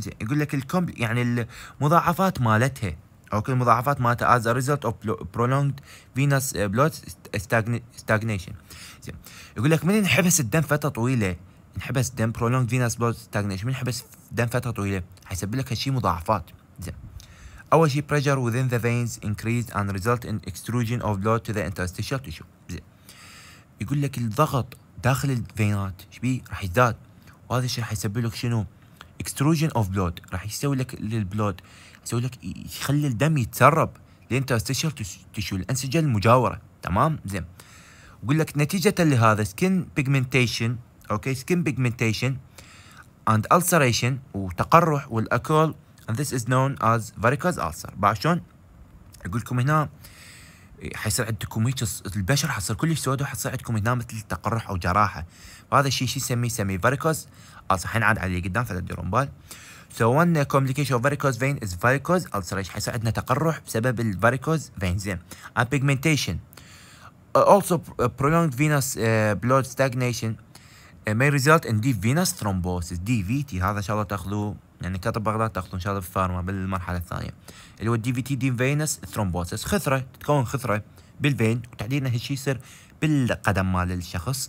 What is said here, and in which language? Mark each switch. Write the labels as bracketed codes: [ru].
[ar] زين يقول لك يعني المضاعفات مالتها اوكي المضاعفات مالتها [en] as a result of prolonged venous blood stagnation. [ar] زين يقول لك من انحبس الدم فتره طويله انحبس الدم [en] prolonged venous blood stagnation [ar] من انحبس الدم فتره طويله حيسبب لك هالشيء مضاعفات. زين اول شيء [en] pressure within the veins increased and result in extrusion of blood to the interstitial tissue. [ar] زين يقول لك الضغط داخل الفينات ايش بيه راح يزداد وهذا الشيء راح يسبب لك شنو؟ [en] extrusion of blood [ar] راح يسوي لك للبلود يسوي لك يخلي الدم يتسرب للانترستيشال تشو الانسجه المجاوره. تمام زين اقول لك نتيجه لهذا [en] skin pigmentation okay skin pigmentation and ulceration [ar] وتقرح والاكل [en] and this is known as varicose ulcer. [ar] بعد شلون اقول لكم هنا حيصير عندكم هيك البشره حصير كلش سوداء وحصير عندكم هنا مثل تقرح او جراحه وهذا الشيء شي يسميه varicose ulcer. حنعد عليه قدام فلا تديرون بال. [en] So one complication of varicose vein is varicose ulceration. [ar] حيصير عندنا تقرح بسبب الفاريكوز فين. زين. [en] And pigmentation. Also prolonged venous blood stagnation may result in deep venous thrombosis. DVT. [ar] هذا ان شاء الله تاخذوه يعني كتب بغداد تاخذوه ان شاء الله في فارما بالمرحلة الثانية. اللي هو [en] DVT deep venous thrombosis. [ar] خثرة تتكون خثرة بالفين وتحديدا هالشيء يصير بالقدم مال الشخص.